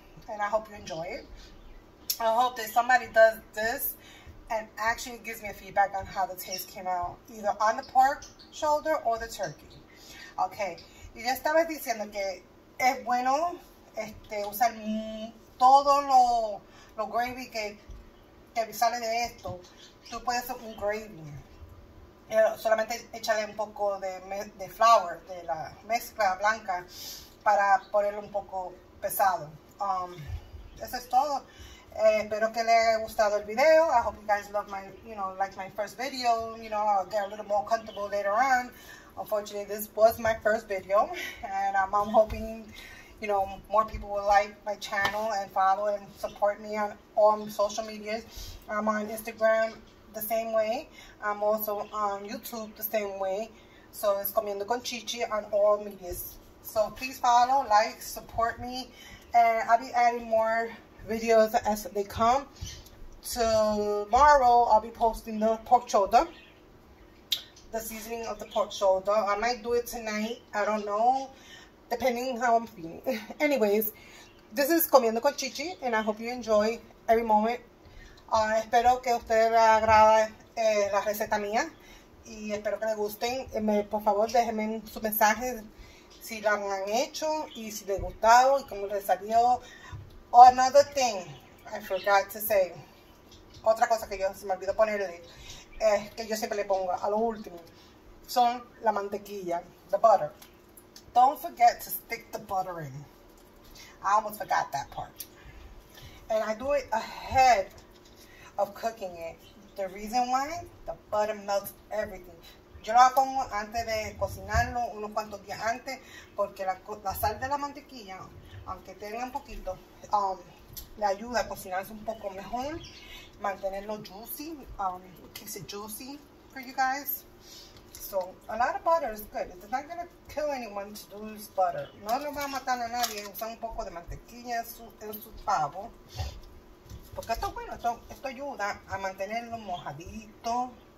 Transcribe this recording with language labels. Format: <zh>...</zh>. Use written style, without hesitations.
<en>And I hope you enjoy it. I hope that somebody does this and actually gives me a feedback on how the taste came out, either on the pork shoulder or the turkey.</en> <es>Okay, y ya estabas diciendo que es bueno usar todo lo gravy que sale de esto. Tú puedes hacer un gravy. Solamente échale un poco de flour, de la mezcla blanca, para ponerlo un poco pesado. Eso es todo. Espero que le haya gustado el video.</es> <en>I hope you guys love my, you know, like my first video. You know, I'll get a little more comfortable later on. Unfortunately, this was my first video. And I'm hoping, you know, more people will like my channel and follow and support me on all social medias. I'm on Instagram the same way. I'm also on YouTube the same way. So it's Comiendoconchichi on all medias. So please follow, like, support me. And I'll be adding more videos as they come. Tomorrow I'll be posting the pork shoulder, the seasoning of the pork shoulder. I might do it tonight, I don't know, depending how I'm feeling. Anyways, this is Comiendo con Chichi and I hope you enjoy every moment.</en> <es>Espero que usted le agrade la receta mía y espero que le gusten. Por favor, déjenme su mensaje si la han hecho y si les gustado y cómo les salió.</es> <en>Oh, another thing I forgot to say.</en> <es>Otra cosa que yo se me olvidó ponerle es que yo siempre le pongo a lo último. Son la mantequilla,</es> <en>the butter. Don't forget to stick the butter in. I almost forgot that part. And I do it ahead of cooking it. The reason why, the butter melts everything.</en> <es>Yo lo pongo antes de cocinarlo, unos cuantos días antes, porque la sal de la mantequilla, aunque tenga un poquito, le ayuda a cocinarse un poco mejor, mantenerlo juicy,</es> <en>keeps it juicy for you guys. So, a lot of butter is good. It's not gonna kill anyone to lose butter.</en> <es>No lo va a matar a nadie usar un poco de mantequilla en su pavo. Porque esto es bueno, esto ayuda a mantenerlo mojadito.</es>